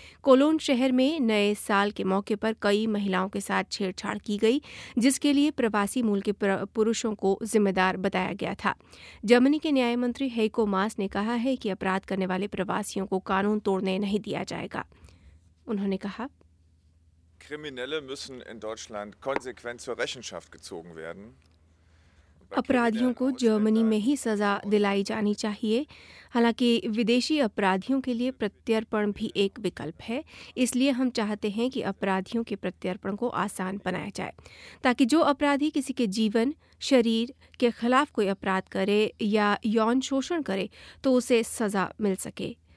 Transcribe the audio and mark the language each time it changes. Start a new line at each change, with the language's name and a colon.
Hindi: Colon शहर में नए साल के मौके पर कई महिलाओं के साथ छेड़छाड़ की गई, जिसके लिए प्रवासी मूल के पुरुषों को जिम्मेदार बताया गया था। जर्मनी के न्याय मंत्री हेइको मास ने कहा है कि अपराध करने वाले प्रवासियों को कानून तोड़ने नहीं दिया जाएगा। उन्होंने कहा,
German: Kriminelle müssen in Deutschland konsequent zur Rechenschaft gezogen werden.
Hindi: अपराधियों को जर्मनी में ही सजा दिलाई जानी चाहिए। हालांकि विदेशी अपराधियों के लिए प्रत्यर्पण भी एक विकल्प है, इसलिए हम चाहते हैं कि अपराधियों के प्रत्यर्पण को आसान बनाया जाए, ताकि जो अपराधी किसी के जीवन शरीर के खिलाफ कोई अपराध करे या यौन शोषण करे तो उसे सजा मिल सके।